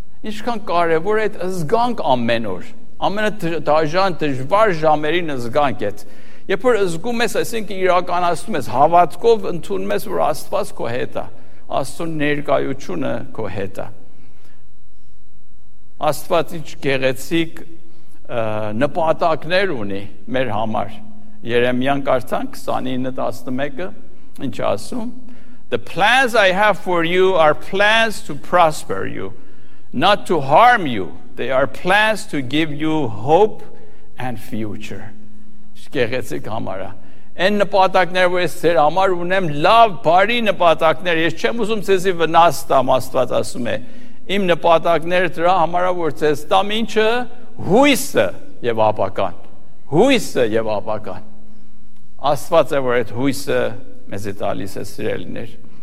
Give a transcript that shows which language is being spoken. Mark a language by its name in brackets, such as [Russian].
[Armenian] ինչքան կարևոր է զգանք ամեն օր, ամենադաժան դժվար ժամերին զգանք է, երբ որ զգում ես, այսինքն իրականացնում ես, հավատքով ընդունում ես, որ Աստված քո հետ է, Աստծո ներկայությունը քո հետ է, Աստված ինչ գեղեցիկ նպատակներ ունի մեր համար։ Երեմյան կարդանք 29:11-ը, ինչ ասում. [English] The plans I have for you are plans to prosper you, not to harm you. They are plans to give you hope and future. [Armenian] Շկեղեցիկ համարա։ Այն նպատակներ, որ ես ձեր համար ունեմ, լավ, բարի նպատակներ, ես չեմ ուզում ձեզ վնաս տամ, Աստված ասում է, իմ նպատակները դրա համարա, որ ձեզ տամ ինչը, հույսը և ապական, հույսը և ապական, Աստված է, որ այդ հույսը մեզ է տալիս է սիրելիներ։